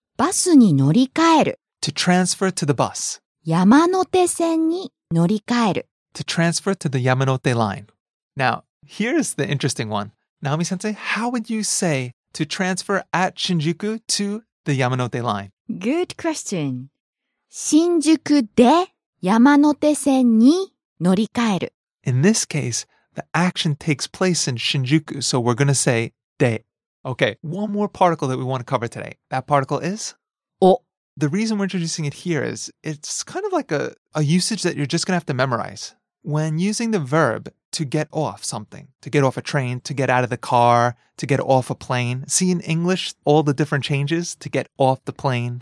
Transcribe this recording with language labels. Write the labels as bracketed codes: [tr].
[ja] バスに乗り換える。 [en] To transfer to the bus. [ja] 山手線に乗り換える。 [en] To transfer to the Yamanote line. Now, here's the interesting one. Naomi-sensei, how would you say to transfer at Shinjuku to the Yamanote line? Good question. [ja] 新宿 で 山手線 に 乗り換える. [en] In this case, the action takes place in Shinjuku, so we're going to say で. Okay, one more particle that we want to cover today. That particle is? [ja] お. [en] The reason we're introducing it here is it's kind of like a usage that you're just going to have to memorize. When using the verb to get off something, to get off a train, to get out of the car, to get off a plane, see in English all the different changes to get off the plane.